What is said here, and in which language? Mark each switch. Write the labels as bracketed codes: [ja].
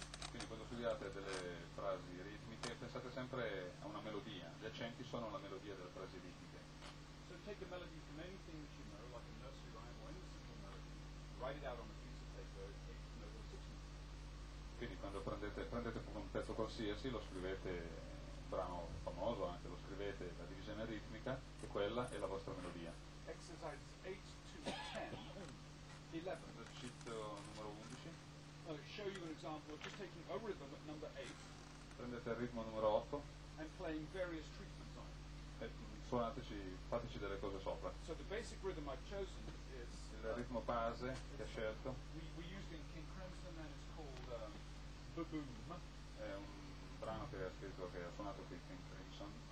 [it] Quindi quando studiate delle frasi ritmiche, pensate sempre a una melodia. Gli accenti sono la melodia della frase ritmica. [en] So take a melody from anything that you know, like a nursery rhyme or any simple melody, write it out on a piece of paper, take note or 16. [it] Quindi quando prendete un pezzo qualsiasi, lo scrivete, un brano famoso anche, lo scrivete, la divisione ritmica, e quella è la vostra melodia. [en] Exercise 8 to 10, 11. [it] Esercizio numero 11. [en] I'll show you an example of just taking a rhythm at number 8. [it] Prendete il ritmo numero 8. [en] And playing various treatments on it. [it] Suonateci, fateci delle cose sopra. [en] So the basic rhythm I've chosen is... [it] Il ritmo base che ho scelto. [en] We used in King Crimson and it's called Baboom. [it] È un brano che ha scritto, che ha suonato qui in King Crimson.